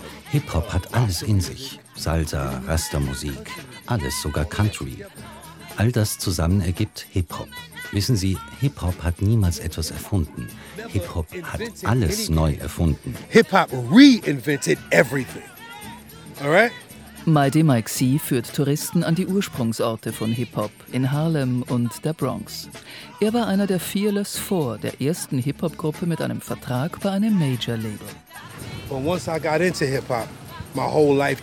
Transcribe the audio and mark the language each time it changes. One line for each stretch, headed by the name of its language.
German: Hip-Hop hat alles in sich. Salsa, Rastamusik, alles, sogar Country. All das zusammen ergibt Hip-Hop. Wissen Sie, Hip-Hop hat niemals etwas erfunden. Hip-Hop hat alles neu erfunden.
English: Hip-Hop reinvented everything. All right? Mighty Mike C.
German: führt Touristen an die Ursprungsorte von Hip-Hop in Harlem und der Bronx. Er war einer der Fearless Four, der ersten Hip-Hop-Gruppe mit einem Vertrag bei einem Major-Label.